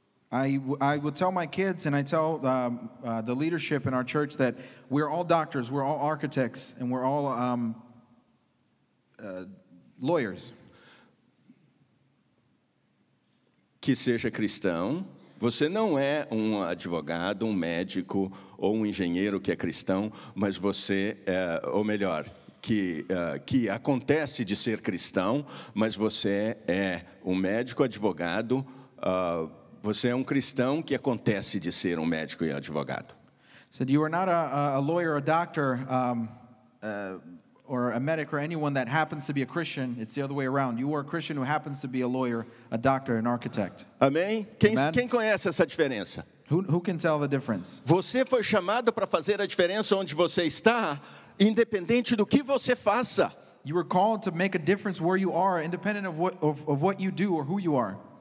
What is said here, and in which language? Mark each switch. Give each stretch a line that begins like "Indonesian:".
English: I will tell my kids and I tell the leadership in our church that we're all doctors, we're all architects, and we're all lawyers.
Portuguese: Que seja cristão. Você não é um advogado, um médico ou um engenheiro que é cristão, mas você, ou melhor, que acontece de ser cristão, mas você é um médico, advogado, você é um cristão que acontece de ser um médico e advogado.
English: Said you are not a lawyer, a doctor, or a medic, or anyone that happens to be a Christian. It's the other way around. You are a Christian who happens to be a lawyer, a doctor, an architect.
Portuguese: Amém? Quem conhece essa diferença?
English: Who can tell the difference?
Portuguese: Você foi chamado para fazer a diferença onde você está, independente do que você faça.
English: You were called to make a difference where you are, independent of what you do or who you are.